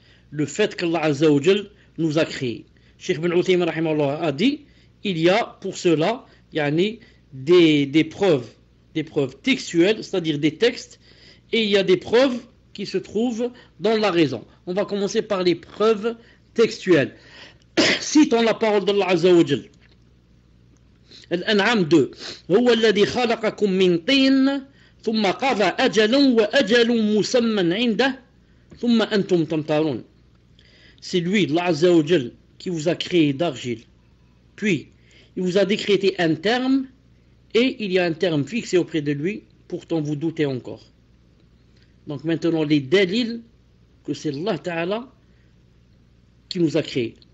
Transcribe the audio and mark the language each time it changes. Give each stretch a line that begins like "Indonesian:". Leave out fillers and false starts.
French: Le fait qu'Allah Azza wa Jal nous a créé. Cheikh Ibn Uthaymeen rahimahullah a dit, il y a pour cela, Yanni, des preuves textuelles, c'est-à-dire des textes, et il y a des preuves qui se trouvent dans la raison. On va commencer par les preuves textuel. Citons la parole d'Allah Azza wa Jal. Al-An'am 2.
Arabic: هو الذي خلقكم من طين ثم قضى أجلا وأجل مسمى عنده ثم أنتم تمترون.
French: C'est lui, Allah Azza wa Jal, qui vous a créé d'argile. Puis, il vous a décrété un terme et il y a un terme fixé auprès de lui, pourtant vous doutez encore. Donc maintenant, les dalils que c'est Allah Ta'ala qui nous a créé.